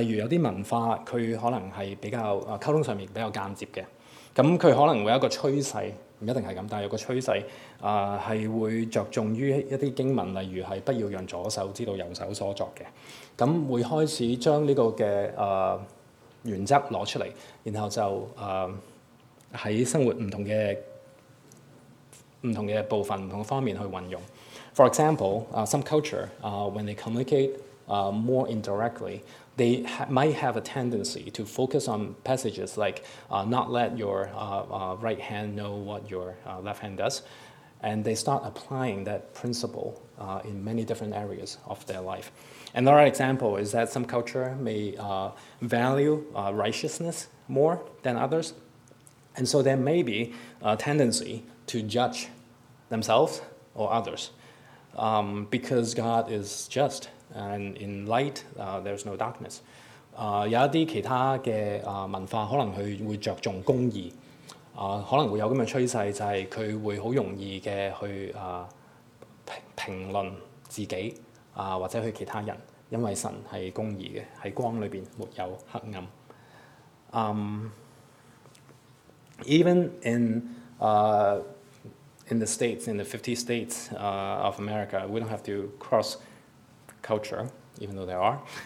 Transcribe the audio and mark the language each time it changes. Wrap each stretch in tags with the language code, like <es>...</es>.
<zh>例如有些文化它可能是比較溝通上面比較間接的，它可能會有一個趨勢，不一定是這樣，但有個趨勢是會著重於一些經文，例如是不要讓左手知道右手所作的，那會開始將這個的原則拿出來，然後就在生活不同的部分不同方面去運用。</zh> <en>For example, some culture when they communicate more indirectly, they might have a tendency to focus on passages like not let your right hand know what your left hand does, and they start applying that principle in many different areas of their life. Another example is that some culture may value righteousness more than others, and so there may be a tendency to judge themselves or others because God is just, and in light, there's no darkness.</en> <zh>有一些其他的文化可能會著重公義，可能會有這樣的趨勢，就是他會很容易的去評論自己或者去其他人，因為神是公義的，在光裡面沒有黑暗。</zh> <en>Even in the states, in the 50 states of America, we don't have to cross culture, even though there are.</en>